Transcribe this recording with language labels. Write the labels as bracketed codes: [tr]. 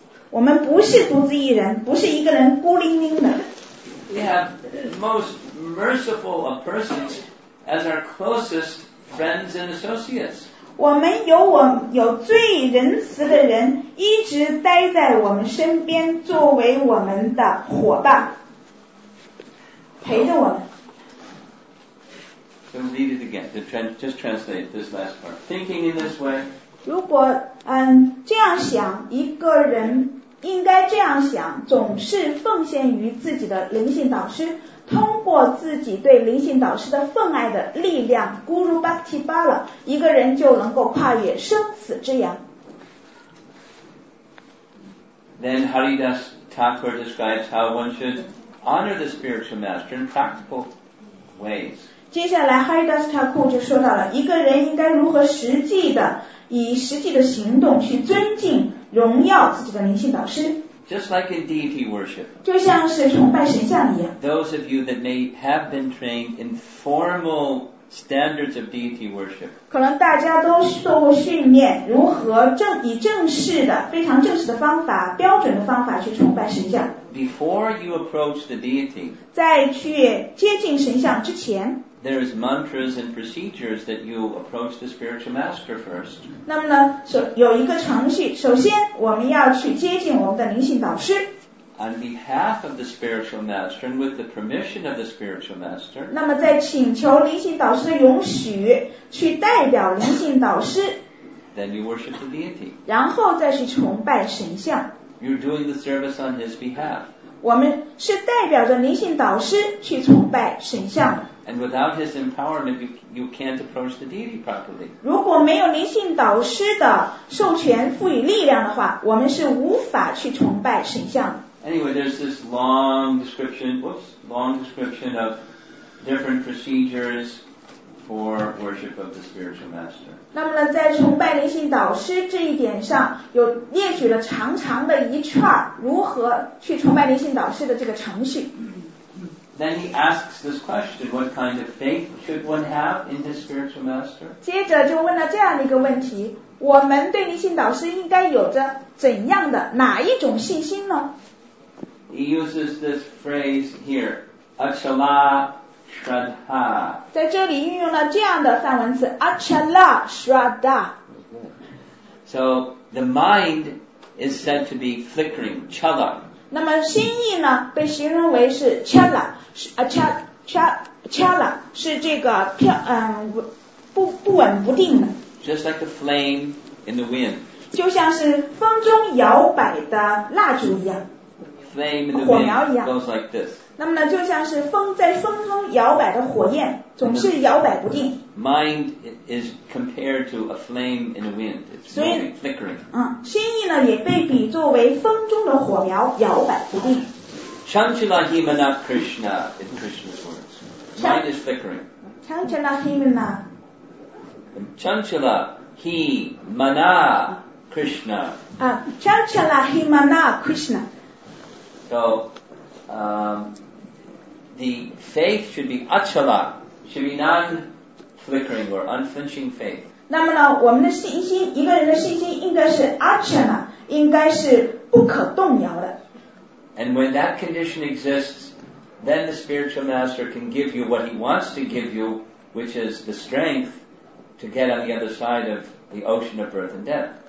[zh] 我们不是独自一人，不是一个人孤零零的。 [en] We have most merciful of persons as our closest friends and associates. [zh] 我们有最仁慈的人一直待在我们身边，作为我们的伙伴，陪着我们。 [en] I'm going to read it again, to just translate this last part. Thinking in this way, [zh] 如果这样想，一个人应该这样想，总是奉献于自己的灵性导师，通过自己对灵性导师的奉爱的力量 Guru Bhakti Bala, 一个人就能够跨越生死之痒。 [en] Then Haridas Thakur describes how one should honor the spiritual master in practical ways. [zh] 接下来 Haridas Thakur 就说到了一个人应该如何实际的以实际的行动去尊敬荣耀自己的灵性导师 [en] Just like in deity worship [zh] 就像是崇拜神像一样 [en] Those of you that may have been trained in formal standards of deity worship [zh] 可能大家都受过训练如何以正式的非常正式的方法标准的方法去崇拜神像 [en] Before you approach the deity [zh] 在去接近神像之前 [en] There is mantras and procedures that you approach the spiritual master first. [zh] 那么呢，有一个程序。首先，我们要去接近我们的灵性导师。 [en] On behalf of the spiritual master and with the permission of the spiritual master. [zh] 那么在请求灵性导师的允许，去代表灵性导师。 [en] Then you worship the deity. [zh] 然后再去崇拜神像。 [en] You're doing the service on his behalf. [zh] 我们是代表着灵性导师去崇拜神像。 [en] And without his empowerment, you can't approach the deity properly. [zh] 如果没有灵性导师的授权赋予力量的话，我们是无法去崇拜神像。 [en] Anyway, there's this long description of different procedures for worship of the spiritual master. [zh] 那么呢，在崇拜灵性导师这一点上，有列举了长长的一串如何去崇拜灵性导师的这个程序。 [en] Then he asks this question, what kind of faith should one have in his spiritual master? [zh] 接着就问了这样一个问题，我们对灵性导师应该有着怎样的哪一种信心呢？ [en] He uses this phrase here, achala shraddha. [zh] 在这里运用了这样的梵文词 achala shraddha. [en] So the mind is said to be flickering, chala. [zh] 那么心意呢被形容为是 chala, 是 chala, 是这个不稳不定的。 [en] Just like a flame in the wind. [zh] 就像是风中摇摆的蜡烛一样。 [en] Flame in the wind goes like this. [zh] 那么呢就像是在风中摇摆的火焰总是摇摆不定。 [en] Mind is compared to a flame in the wind. It's moving, flickering. [zh] 心意呢也被比作为风中的火苗，摇摆不定。 [sa] Chanchala himana Krishna, [en] in Krishna's words. Mind is flickering. [sa] Chanchala himana. Chanchala himana Krishna. Chanchala himana Krishna. [en] So, the faith should be achala, should be non-flickering or unflinching faith. [zh] 那么呢，我们的信心，一个人的信心应该是 achana, 应该是不可动摇的。 [en] And when that condition exists, then the spiritual master can give you what he wants to give you, which is the strength to get on the other side of the ocean of birth and death.